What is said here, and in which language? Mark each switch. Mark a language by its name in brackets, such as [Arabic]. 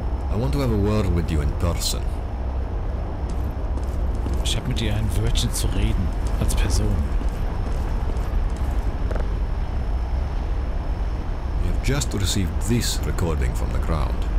[English] I want to have a word with you in person. [German] Ich hab mit dir ein Wörtchen zu reden, als Person. [English] We have just received this recording from the ground.